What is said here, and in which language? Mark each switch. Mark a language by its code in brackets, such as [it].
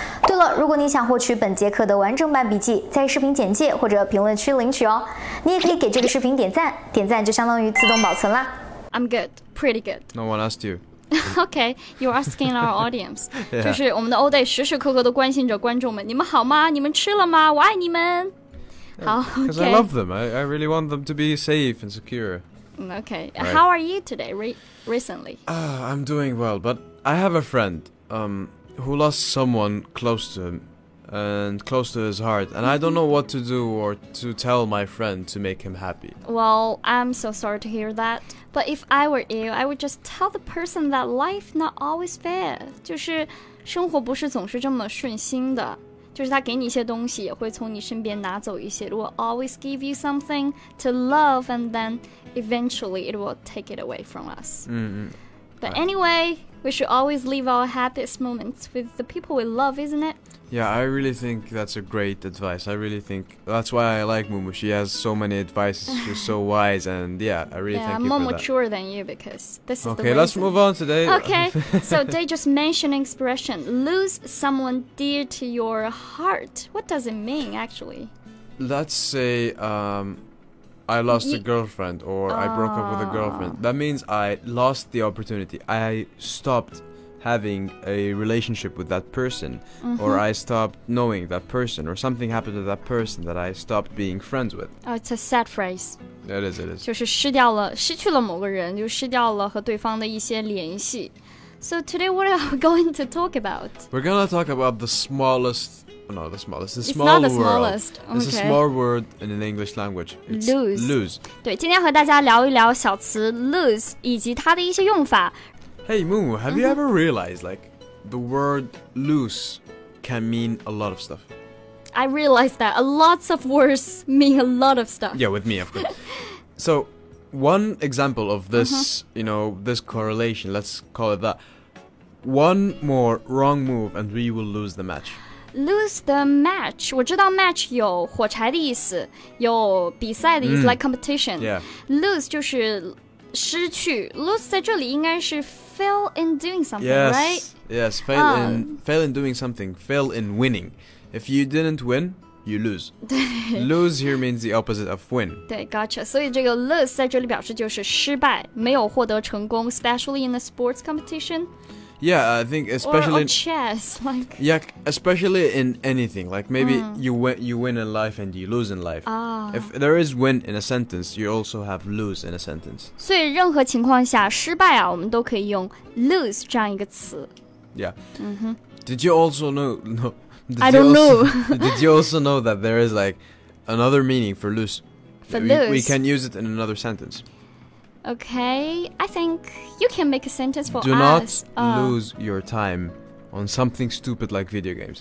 [zh] 对了，如果你想获取本节课的完整版笔记，在视频简介或者评论区领取哦。你也可以给这个视频点赞，点赞就相当于自动保存啦。 [en] I'm good, pretty good. No one asked you. Okay, you're asking our audience. [zh] 就是我们的 Ode 时时刻刻都关心着观众们，你们好吗？你们吃了吗？我爱你们。好 [en] ，Because I love them. I really want them to be safe and secure. Okay,、right. How are you today? Recently? I'm doing well, but I have a friend, who lost someone close to him, and close to his heart, and I don't know what to do or to tell my friend to make him happy. Well, I'm so sorry to hear that. But if I were you, I would just tell the person that life not always fair. [zh] 就是生活不是总是这么顺心的。就是他给你一些东西也会从你身边拿走一些。 [en] It will always give you something to love and then eventually it will take it away from us. But anyway, we should always leave our happiest moments with the people we love, isn't it? Yeah, I really think that's a great advice. I really think that's why I like Mumu. She has so many advices. She's so wise. And yeah, I really thank you for that. Yeah, I'm more mature than you because this is the reason. Okay, let's move on today. Okay, so they just mentioned expression. Lose someone dear to your heart. What does it mean, actually? Let's say, I lost a girlfriend or I broke up with a girlfriend. That means I lost the opportunity. I stopped having a relationship with that person、mm-hmm. or I stopped knowing that person or something happened to that person that I stopped being friends with. Oh, it's a sad phrase. It is. [zh] 就是失掉了失去了某个人就失掉了和对方的一些联系。 [en] So today, what are we going to talk about? We're going to talk about the smallest... No, the smallest. It's small not the world. Smallest. Okay. It's a small word in an English language. Lose. [zh] 对，今天和大家聊一聊小词 lose 以及它的一些用法。 [en] Hey, Mumu, have、mm-hmm. you ever realized, like, the word lose can mean a lot of stuff? I realized that. Lots of words mean a lot of stuff. Yeah, with me, of course. So, one example of this,、mm-hmm. you know, this correlation, let's call it that. One more wrong move and we will lose the match. Lose the match. [zh] 我知道 match 有火柴的意思，有比赛的意思、mm. [en] like competition.、 [zh] Yeah. Lose 就是失去。Lose 在这里应该是 [en] fail in doing something, yes. right? Yes, fail in doing something. Fail in winning. If you didn't win, you lose. Lose here means the opposite of win. [zh] 对 [en] gotcha. [zh] 所以这个 lose 在这里表示就是失败，没有获得成功 [en] especially in a sports competition. Yeah, I think especially... Or chess, like... Yeah, especially in anything. Like, maybe、mm. you win in life and you lose in life.、If there is win in a sentence, you also have lose in a sentence. [zh] 所以任何情况下失败啊，我们都可以用 lose 这样一个词。 [en] Yeah.、Mm-hmm. Did you also know... No, I don't know. Did you also know that there is, like, another meaning for lose? For lose. We can use it in another sentence. Okay, I think you can make a sentence for Do us. Do not lose your time on something stupid like video games.